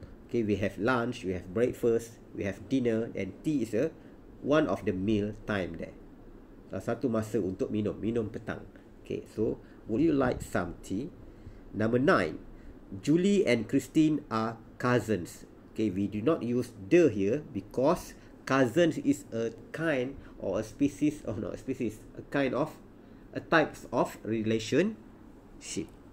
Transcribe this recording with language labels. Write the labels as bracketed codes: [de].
[en] Okay, we have lunch, we have breakfast, we have dinner, and tea is one of the meal time there. [ms] Salah satu masa untuk minum petang. [en] Okay, so would you like some tea? Number 9. Julie and Christine are cousins. Okay, we do not use the here because cousins is a kind or a species, or not a species, a kind of, a types of relationship.